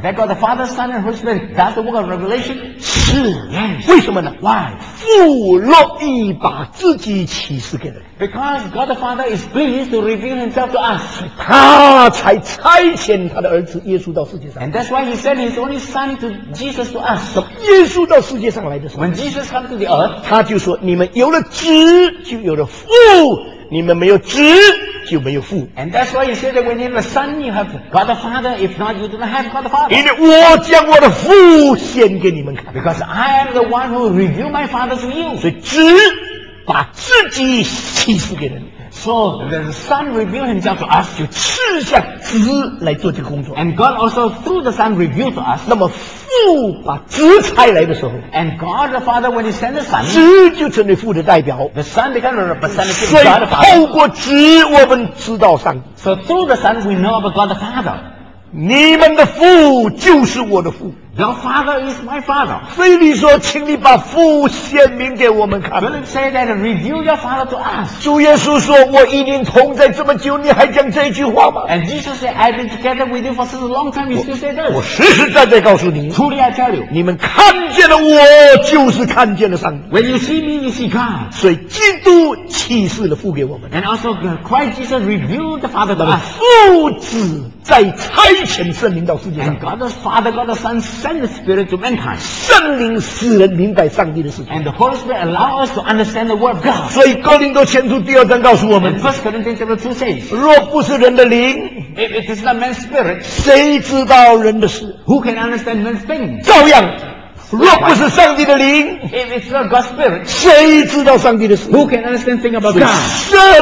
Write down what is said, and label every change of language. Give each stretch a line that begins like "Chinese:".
English: ？That God the Father, Son, and Holy Spirit does the work of revelation.
Chinese: 是
English: ，Yes.
Chinese: 为什么呢
English: ？Why?
Chinese: 父乐意把自己启示给人。
English: Because God the Father is pleased to reveal Himself to us.
Chinese: 他才差遣他的儿子耶稣到世界上。
English: And that's why He sent His only Son to Jesus to us.
Chinese: 耶稣到世界上来的时候
English: ，When Jesus came to the earth,
Chinese: 他就说：“你们有了子，就有了父。” 你们没有子就没有父。
English: And that's why you say that when you have a son, you have God the Father. If not, you do not have God the Father.
Chinese: 因为我将我的父显给你们看。
English: Because I am the one who reveal my Father to you.
Chinese: 所以子把自己启示给人。
English: So the Son revealed Himself to us,
Chinese: 就赐下子来做这个工作。
English: And God also through the Son revealed to us.
Chinese: 那么父把子差来的时候
English: ，And God the Father when He sent the Son,
Chinese: 子就成为父的代表。
English: The Son became the representative of God the Father.
Chinese: 所以透过子，我们知道上帝。
English: So through the Son, we know about God the Father.
Chinese: 你们的父就是我的父。
English: Your father is my father.
Chinese: 菲利说：“请你把父显明给我们看。”
English: Philip said that reveal your father to us.
Chinese: 主耶稣说：“我与您同在这么久，你还讲这句话吗？”
English: And Jesus said, "I've been together with you for such a long time. You still say this?"
Chinese: 我实实在在告诉你
English: ，Truly I tell you,
Chinese: 你们看见了我，就是看见了上帝。
English: When you see me, you see God.
Chinese: 所以基督启示了父给我们。
English: And also Christ Jesus revealed the Father to us.
Chinese: 父子在差遣圣灵到世界上。
English: And God the Father, God the Son. Send the Spirit to mankind.
Chinese: 圣灵使人明白上帝的事情。
English: And the Holy Spirit allows us to understand the Word of God.
Chinese: 所以哥林多前书第二章告诉我们
English: ，First Corinthians chapter two says,
Chinese: 若不是人的灵
English: ，If it is not man's spirit,
Chinese: 谁知道人的事
English: ？Who can understand man's things?
Chinese: 照样。若不是上帝的灵
English: ，If it's not God's spirit,
Chinese: 谁知道上帝的事
English: ？Who can understand things about God?